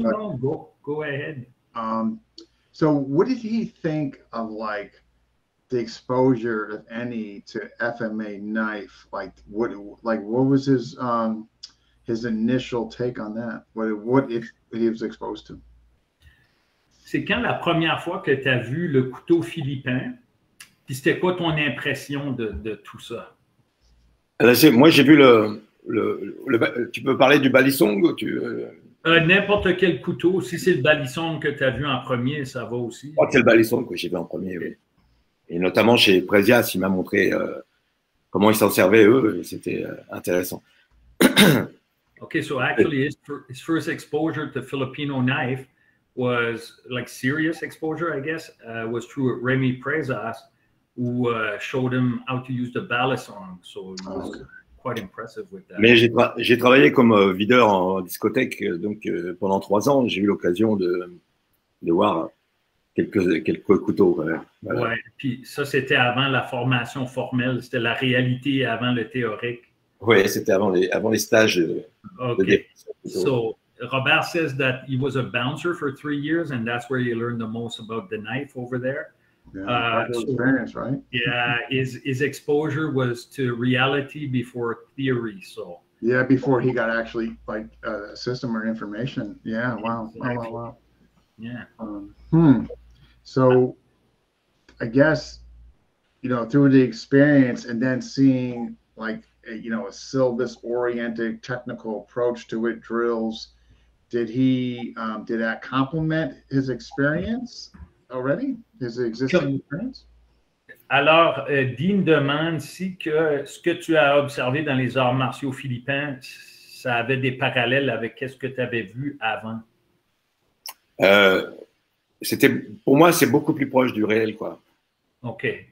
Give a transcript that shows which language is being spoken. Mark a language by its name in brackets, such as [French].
[English] No, go ahead. So what did he think of, like, the exposure, if any, to FMA knife? What was his initial take on that? What if he was exposed to? [French] C'est quand la première fois que tu as vu le couteau philippin, puis c'était quoi ton impression de tout ça? Moi, j'ai vu le tu peux parler du balisong? N'importe quel couteau. Si c'est le balisong que tu as vu en premier, ça va aussi. Moi, c'est le balisong que j'ai vu en premier, oui. Et notamment chez Presias, il m'a montré comment ils s'en servaient, eux, et c'était intéressant. [English] OK, so actually, his first exposure to Filipino knife was, like, serious exposure, I guess, was through Remy Presias, who showed him how to use the balisong. So it was quite impressive with that. [French] Mais j'ai travaillé comme videur en discothèque, donc pendant 3 ans, j'ai eu l'occasion de voir quelques couteaux. Ouais, puis ça, c'était avant la formation formelle, c'était la réalité avant le théorique. Oui, c'était avant les stages. OK. [English] So, Robert says that he was a bouncer for 3 years, and that's where he learned the most about the knife over there. Experience, right? Yeah, his exposure was to reality before theory. So. Yeah, before he got actually, like, a system or information. Yeah, wow. Exactly. Wow. Yeah. So, I guess, you know, through the experience and then seeing, like, a Silvis-oriented technical approach to it, drills, did that complement his experience already, his existing experience? [French] Alors, Dean demande si que ce que tu as observé dans les arts martiaux philippins, ça avait des parallèles avec qu'est-ce que tu avais vu avant. C'était, pour moi, c'est beaucoup plus proche du réel, quoi. OK.